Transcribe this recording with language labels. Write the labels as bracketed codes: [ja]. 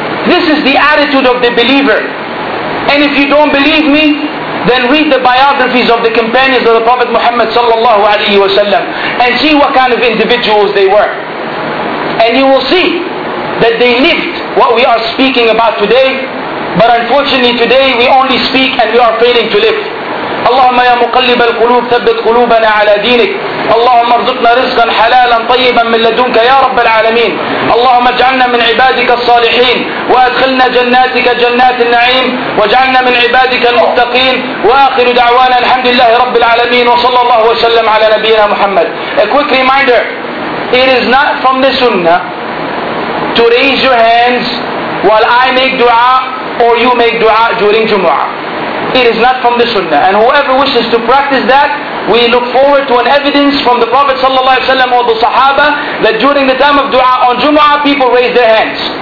[en] This is the attitude of the believer. And if you don't believe me, then read the biographies of the companions of the Prophet Muhammad sallallahu alaihi wasallam, and see what kind of individuals they were. And you will see that they lived what we are speaking about today. But unfortunately today we only speak and we are failing to live. [ar] اللهم يا مقلب القلوب ثبت قلوبنا على دينك اللهم ارزقنا رزقا حلالا طيبا من لدنك يا رب العالمين اللهم اجعلنا من عبادك الصالحين وادخلنا جناتك جنات النعيم واجعلنا من عبادك المتقين واخر دعوانا الحمد لله رب العالمين وصلى الله وسلم على نبينا محمد. [en] A quick reminder, it is not from the sunnah to raise your hands while I make dua or you make dua during jumu'ah. It is not from the sunnah. And whoever wishes to practice that, we look forward to an evidence from the Prophet ﷺ or the Sahaba that during the time of dua on Jumu'ah, people raise their hands.